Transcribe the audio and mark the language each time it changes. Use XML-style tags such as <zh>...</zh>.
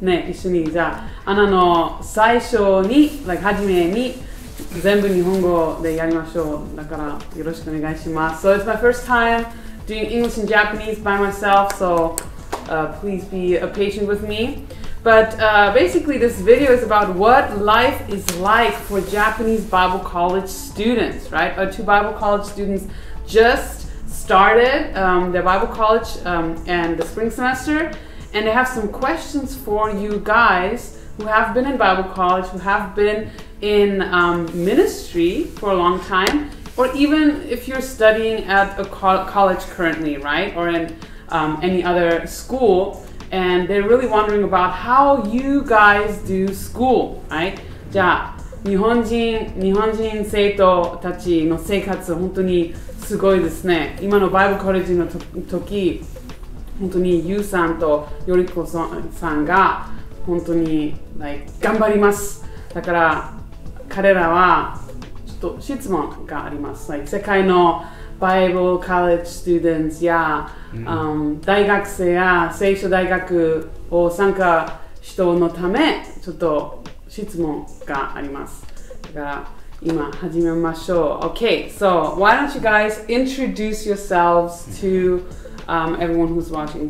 <ja>ね、一緒にじゃあ、アナの最初に、like、初めに全部日本語でやりましょう。だからよろしくお願いします。</ja> <en>So it's my first time doing English and Japanese by myself, so、please be patient with me. But basically, this video is about what life is like for Japanese Bible college students, right? Our two Bible college students just started their Bible college and the spring semester. And they have some questions for you guys who have been in Bible college, who have been in ministry for a long time, or even if you're studying at a college currently, right? Or in any other school. And they're really wondering about how you guys do school, right?</en> <ja>じゃあ、日本人生徒たちの生活は本当にすごいですね。今のバイブルコレッジの時、本当にユウさんとヨリコさんが本当に、like、頑張ります。だから彼らはちょっと質問があります。 Like、世界の</ja> <en>Bible college students</en> <ja>や、大学生や聖書大学を参加したのためちょっと質問があります。だから今始めましょう。</ja> <en>Okay, so why don't you guys introduce yourselves to、everyone who's watching?</en>